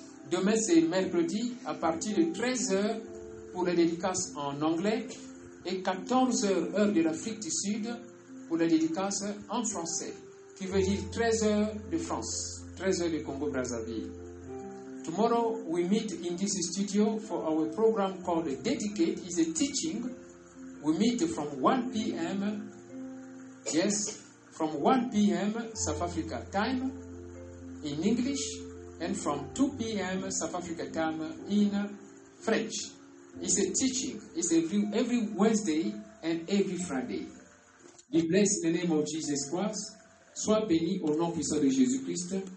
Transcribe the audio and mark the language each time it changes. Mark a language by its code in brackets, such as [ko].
[fr] Demain, c'est mercredi, à partir de 13h pour la dédicace en anglais et 14h, heure de l'Afrique du Sud, pour la dédicace en français, qui veut dire 13h de France, 13h de Congo-Brazzaville. [en] Tomorrow, we meet in this studio for our program called Dedicate. It's a teaching. We meet from 1 p.m. Yes, from 1 p.m. South Africa time in English and from 2 p.m. South Africa time in French. It's a teaching. It's every Wednesday and every Friday. Be blessed in the name of Jesus Christ. [fr] Sois béni au nom puissant de Jésus Christ.